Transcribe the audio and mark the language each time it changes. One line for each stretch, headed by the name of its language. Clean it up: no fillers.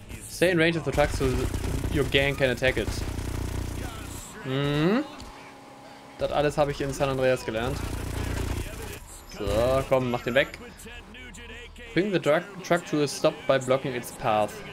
English: Stay in range of the truck so your gang can attack it.
German: Das alles habe ich in San Andreas gelernt. So, komm, mach den weg.
English: Bring the truck to a stop by blocking its path.